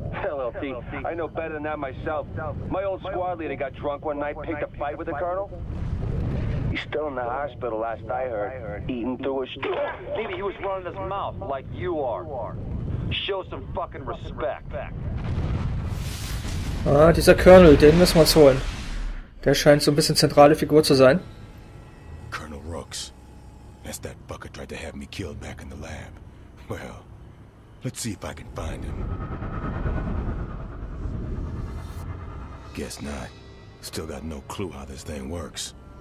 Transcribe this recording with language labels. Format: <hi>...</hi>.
<en>LLT, I know better than that myself. My old squad leader got drunk one night, picked a fight with the Colonel. He's still in the hospital, last I heard, eating through his... Maybe he was running his mouth, like you are. Show some fucking respect.</en> <de>Ah, dieser Colonel, den müssen wir uns holen. Der scheint so ein bisschen zentrale Figur zu sein.</de> <en>Colonel Rooks. That's that fucker tried to have me killed back in the lab. Well, let's see if I can find him. Guess not. Still got no clue how this thing works.</en>